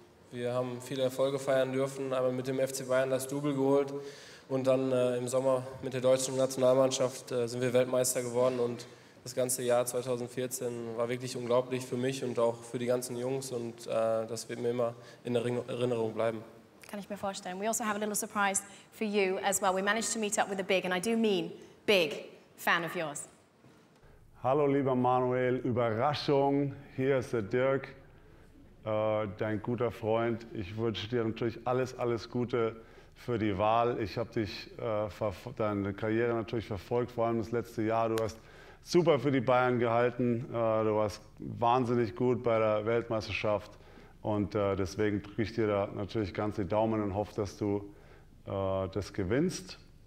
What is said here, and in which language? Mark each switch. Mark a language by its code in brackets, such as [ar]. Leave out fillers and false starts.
[de] Wir haben viele Erfolge feiern dürfen, einmal mit dem FC Bayern das Double geholt und dann im Sommer mit der deutschen Nationalmannschaft sind wir Weltmeister geworden und das ganze Jahr 2014 war wirklich unglaublich für mich und auch für die ganzen Jungs und das wird mir immer in Erinnerung bleiben. Kann ich mir vorstellen. [en] We also have a little surprise for you as well. We managed to meet up with a big, and I do mean big, fan of yours. [de] Hallo lieber Manuel, Überraschung, hier ist der Dirk, dein guter Freund. Ich wünsche dir natürlich alles Gute für die Wahl. Ich habe dich deine Karriere natürlich verfolgt, vor allem das letzte Jahr. Du hast super für die Bayern gehalten, du warst wahnsinnig gut bei der Weltmeisterschaft und deswegen drücke ich dir da natürlich ganz die Daumen und hoffe, dass du das gewinnst.